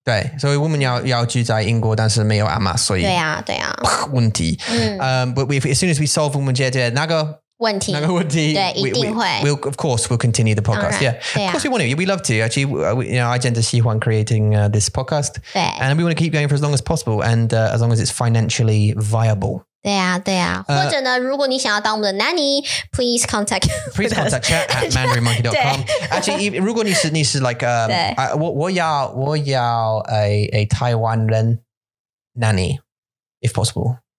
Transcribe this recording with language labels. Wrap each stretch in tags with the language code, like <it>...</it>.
<zh>对, 所以我们要住在英国 但是没有阿妈所以对啊对啊问题</zh> <en>But we, as soon as we solve</en> <zh>我们解决那个问题对一定会</zh> <en>we'll, of course we'll continue the podcast</en> <zh>当然,</zh> <en>yeah. Of course we want to we love to actually we, you know, I tend to</en> <zh>喜欢</zh> <en>creating this podcast</en> <zh>对</zh> <en>and we want to keep going for as long as possible and as long as it's financially viable</en> <zh>对啊对啊 或者呢如果你想要当我们的nanny</zh> <en>please contact please contact chat at mandarinmonkey.com actually</en> <zh>如果你是</zh> <en>like</en> <zh>我要</zh> <en>a 台湾人 nanny if possible</en>